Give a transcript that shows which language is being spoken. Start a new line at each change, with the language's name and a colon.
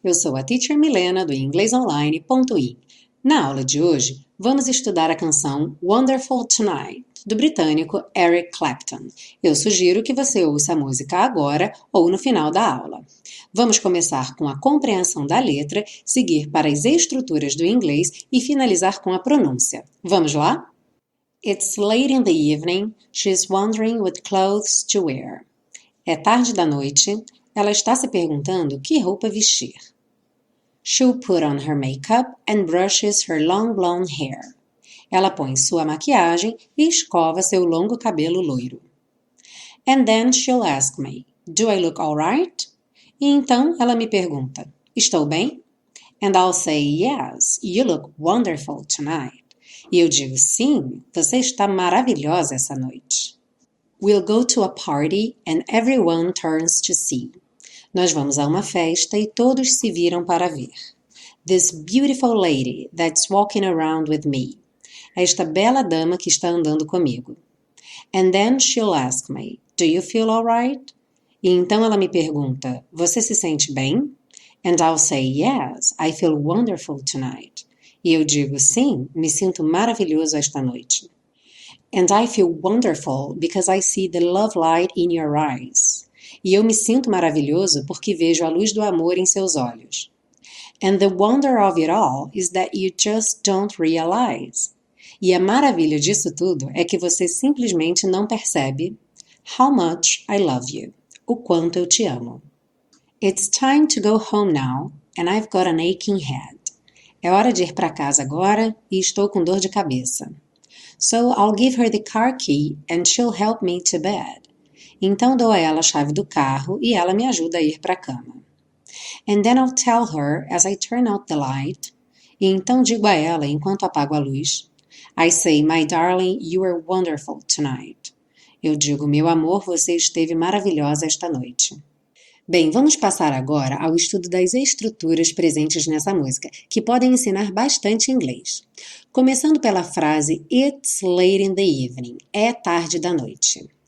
Portuguese: Eu sou a Teacher Milena do inglesonline.in. Na aula de hoje, vamos estudar a canção Wonderful Tonight, do britânico Eric Clapton. Eu sugiro que você ouça a música agora ou no final da aula. Vamos começar com a compreensão da letra, seguir para as estruturas do inglês e finalizar com a pronúncia. Vamos lá?
English: It's late in the evening, she's wondering what clothes to wear.
Portuguese: É tarde da noite, ela está se perguntando que roupa vestir.
English: She'll put on her makeup and brushes her long blonde hair.
Portuguese: Ela põe sua maquiagem e escova seu longo cabelo loiro.
English: And then she'll ask me, do I look all right?
Portuguese: E então ela me pergunta, estou bem?
English: And I'll say, yes, you look wonderful tonight.
Portuguese: E eu digo, sim, você está maravilhosa essa noite.
English: We'll go to a party and everyone turns to see.
Portuguese: Nós vamos a uma festa e todos se viram para ver.
English: This beautiful lady that's walking around with me.
Portuguese: Esta bela dama que está andando comigo.
English: And then she'll ask me, do you feel all right?
Portuguese: E então ela me pergunta, você se sente bem?
English: And I'll say, yes, I feel wonderful tonight.
Portuguese: E eu digo, sim, me sinto maravilhoso esta noite.
English: And I feel wonderful because I see the love light in your eyes.
Portuguese: E eu me sinto maravilhoso porque vejo a luz do amor em seus olhos.
English: And the wonder of it all is that you just don't realize.
Portuguese: E a maravilha disso tudo é que você simplesmente não percebe
English: how much I love you,
Portuguese: o quanto eu te amo.
English: It's time to go home now, and I've got an aching head.
Portuguese: É hora de ir para casa agora e estou com dor de cabeça.
English: So I'll give her the car key and she'll help me to bed.
Portuguese: Então dou a ela a chave do carro e ela me ajuda a ir para a cama.
English: And then I'll tell her as I turn out the light.
Portuguese: E então digo a ela enquanto apago a luz.
English: I say, my darling, you are wonderful tonight.
Portuguese: Eu digo, meu amor, você esteve maravilhosa esta noite. Bem, vamos passar agora ao estudo das estruturas presentes nessa música, que podem ensinar bastante inglês. Começando pela frase,
English: it's late in the evening,
Portuguese: é tarde da noite.